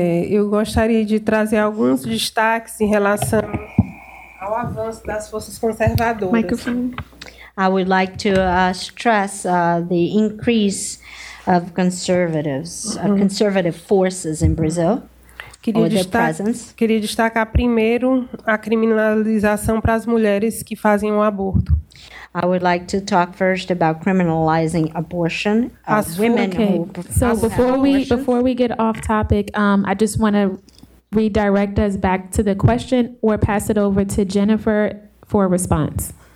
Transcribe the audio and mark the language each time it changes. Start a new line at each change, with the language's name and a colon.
Portuguese: Eu gostaria de trazer alguns destaques em relação ao avanço das forças conservadoras.
English: Microphone. I would like to stress the increase of conservatives, conservative forces in Brazil.
Portuguese: Queria destacar primeiro a criminalização para as mulheres que fazem o aborto.
English: I would like to talk first about criminalizing abortion of women. Okay. So before we get off topic, I just want to redirect us back to the question or pass it over to Jennifer for a response.